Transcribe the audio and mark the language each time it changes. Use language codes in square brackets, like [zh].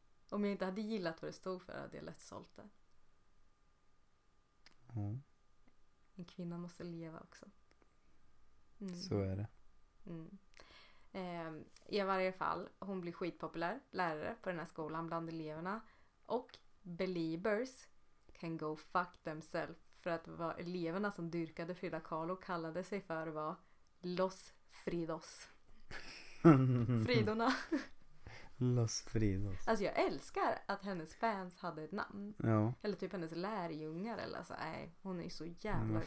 [sv] Om jag inte hade gillat vad det stod för hade jag lätt sålt det. Mm. En kvinna måste leva också. Mm. Så är det. Mm. I varje fall, hon blir skitpopulär lärare på den här skolan bland eleverna. [en] Och believers can go fuck themselves. [sv] För att vara eleverna som dyrkade Frida Kahlo kallade sig för var Los Fridos. Fridorna. Los Fridos. Alltså jag älskar att hennes fans hade ett namn. Ja. Eller typ hennes lärjungar. Eller så. Nej, hon är ju så jävla cool.